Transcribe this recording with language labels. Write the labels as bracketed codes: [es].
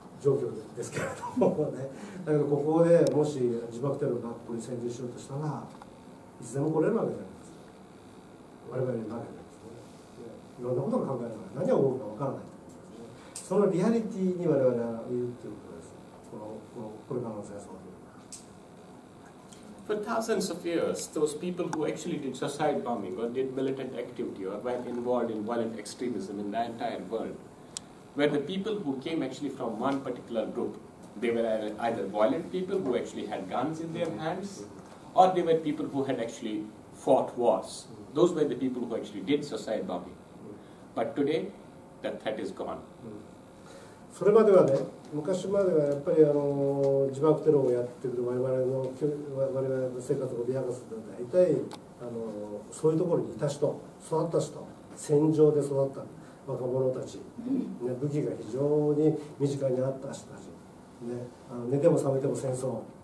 [ja] だけどここでもし自爆テロがここに潜入しようとしたらいつでも来れるわけじゃないですか。我々に負けてるんですね。いろんなことを考えながら何が起こるか分からない。そのリアリティに我々はいるということです。これからの戦争というのは。 [en] For thousands of years, those people who actually did suicide bombing or did militant activity or were involved in violent extremism in the entire worldWhere the people who came actually from one particular group, they were either violent people who actually had guns in their hands, or they were people who had actually fought wars. Those those were the people who actually did suicide bombing. But today, that threat is gone. [ja] それまではね、昔まではやっぱり自爆テロをやってくる我々の生活を脅かすのは大体そういうところにいた人、育った人、戦場で育った若者たち、ね、武器が非常に身近にあった人たち、ね、寝ても覚めても戦争